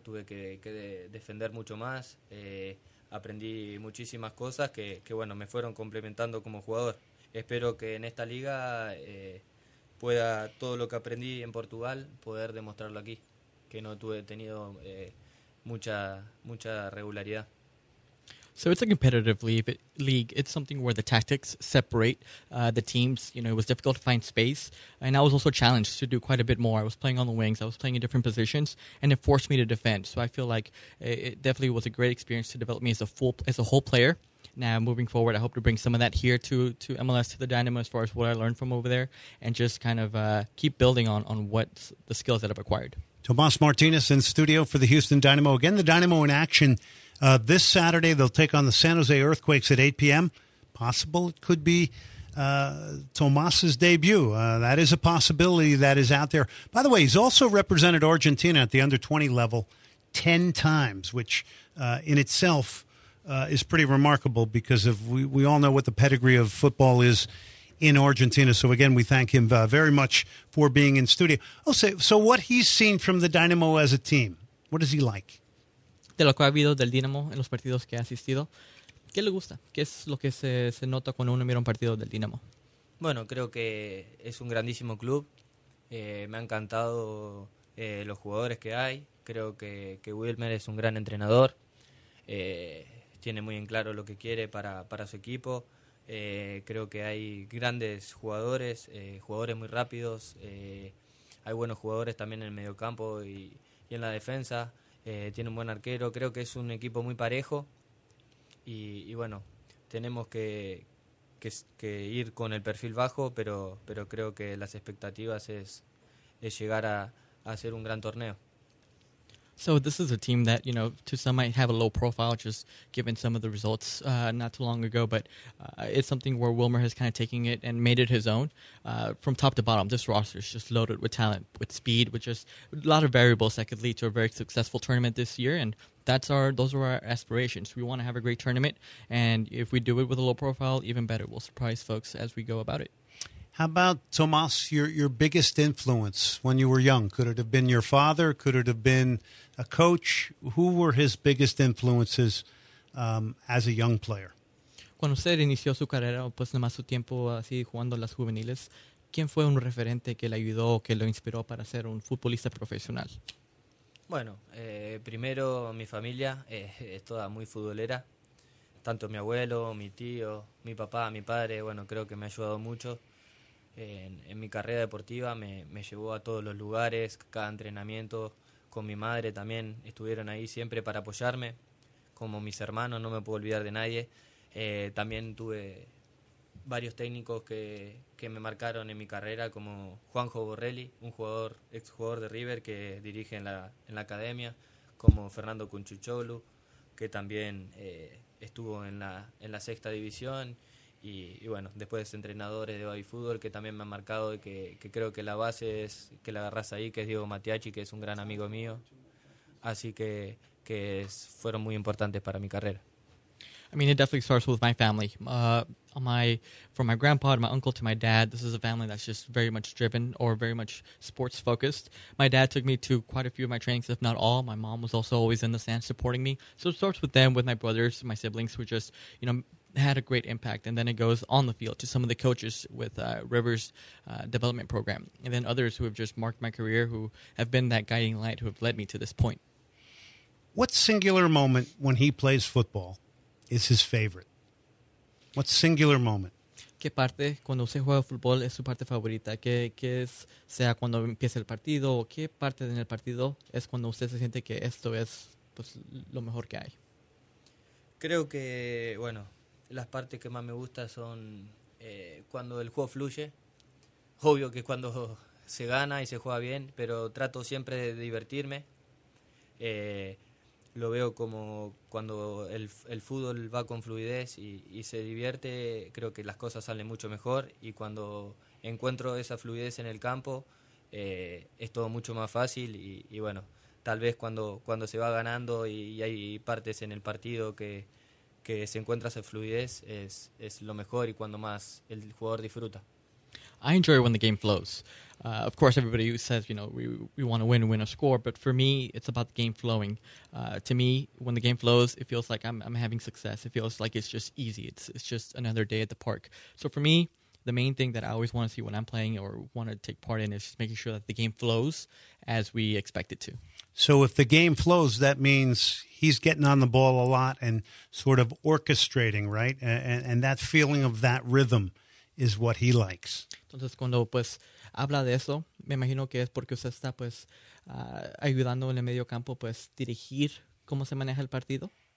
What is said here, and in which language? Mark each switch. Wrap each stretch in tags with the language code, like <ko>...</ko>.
<es>Tuve que defender mucho más. Aprendí muchísimas cosas que bueno, me fueron complementando como jugador. Espero que en esta liga pueda todo lo que aprendí en Portugal poder demostrarlo aquí, que no tuve tenido mucha regularidad.</es> <en>So it's a competitive league. It's something where the tactics separate the teams. You know, it was difficult to find space, and I was also challenged to do quite a bit more. I was playing on the wings. I was playing in different positions, and it forced me to defend. So I feel like it definitely was a great experience to develop me as a whole player. Now, moving forward, I hope to bring some of that here to MLS, to the Dynamo, as far as what I learned from over there, and just kind of keep building on what the skills that I've acquired. Tomas Martinez in studio for the Houston Dynamo. Again, the Dynamo in action this Saturday. They'll take on the San Jose Earthquakes at 8 p.m. Possible it could be Tomas's debut. That is a possibility that is out there. By the way, he's also represented Argentina at the under-20 level 10 times, which in itself is pretty remarkable because of we all know what the pedigree of football is in Argentina. So again, we thank him very much for being in studio. So what he's seen from the Dynamo as a team, what does he like?</en> <es>De lo que ha habido del Dynamo en los partidos que ha asistido, ¿qué le gusta? ¿Qué es lo que se nota cuando uno mira un partido del Dynamo? Bueno, creo que es un grandísimo club. Me ha encantado los jugadores que hay. Creo que Wilmer es un gran entrenador. Tiene muy en claro lo que quiere para su equipo. Creo que hay grandes jugadores, jugadores muy rápidos. Hay buenos jugadores también en el mediocampo y en la defensa. Tiene un buen arquero. Creo que es un equipo muy parejo. Y bueno, tenemos que ir con el perfil bajo, pero creo que las expectativas es llegar a hacer un gran torneo.</es> <en>So this is a team that, you know, to some might have a low profile just given some of the results not too long ago, but it's something where Wilmer has kind of taken it and made it his own. From top to bottom, this roster is just loaded with talent, with speed, with just a lot of variables that could lead to a very successful tournament this year, and those are our aspirations. We want to have a great tournament, and if we do it with a low profile, even better. We'll surprise folks as we go about it. How about, Tomas, your biggest influence when you were young? Could it have been your father? Could it have been a coach? Who were his biggest influences as a young player?</en> <es>Cuando usted inició su carrera, pues nada más su tiempo así jugando las juveniles, ¿quién fue un referente que le ayudó o que lo inspiró para ser un futbolista profesional? Bueno, primero mi familia es toda muy futbolera. Tanto mi abuelo, mi tío, mi papá, mi padre, bueno, creo que me ha ayudado mucho. En mi carrera deportiva me llevó a todos los lugares, cada entrenamiento, con mi madre también estuvieron ahí siempre para apoyarme, como mis hermanos, no me puedo olvidar de nadie. También tuve varios técnicos que me marcaron en mi carrera, como Juanjo Borrelli, un jugador, exjugador de River que dirige en la academia, como Fernando Cunchucholu, que también estuvo en la sexta división. Y bueno, después entrenadores de Bobby Fútbol que también me han marcado y que creo que la base es que la agarras ahí, que es Diego Matiachi, que es un gran amigo mío. Así que fueron muy importantes para mi carrera.</es> <en>I mean, it definitely starts with my family. From my grandpa to my uncle to my dad, this is a family that's just very much driven or very much sports focused. My dad took me to quite a few of my trainings, if not all. My mom was also always in the stands supporting me. So it starts with them, with my brothers, my siblings, who just, you know, had a great impact, and then it goes on the field to some of the coaches with Rivers development program, and then others who have just marked my career, who have been that guiding light, who have led me to this point. What singular moment when he plays football is his favorite? What singular moment?</en> <es>¿Qué parte cuando se juega fútbol es su parte favorita? ¿Qué es, sea cuando empieza el partido, o qué parte en el partido es cuando usted se siente que esto es pues lo mejor que hay? Creo que, bueno, las partes que más me gustan son cuando el juego fluye. Obvio que cuando se gana y se juega bien, pero trato siempre de divertirme. Lo veo como cuando el fútbol va con fluidez y se divierte, creo que las cosas salen mucho mejor. Y cuando encuentro esa fluidez en el campo, es todo mucho más fácil. Y bueno, tal vez cuando se va ganando y hay partes en el partido que se encuentra esa fluidez es lo mejor y cuando más el jugador disfruta.</es> <en>I enjoy when the game flows. Of course, everybody says, you know, we want to win a score. But for me, it's about the game flowing. To me, when the game flows, it feels like I'm having success. It feels like it's just easy. It's just another day at the park. So for me, the main thing that I always want to see when I'm playing or want to take part in is just making sure that the game flows as we expect it to. So if the game flows, that means he's getting on the ball a lot and sort of orchestrating, right? And that feeling of that rhythm is what he likes.</en> <es>Entonces, cuando pues habla de eso, me imagino que es porque usted está pues ayudando en el medio campo, pues dirigir cómo se maneja el partido.</es>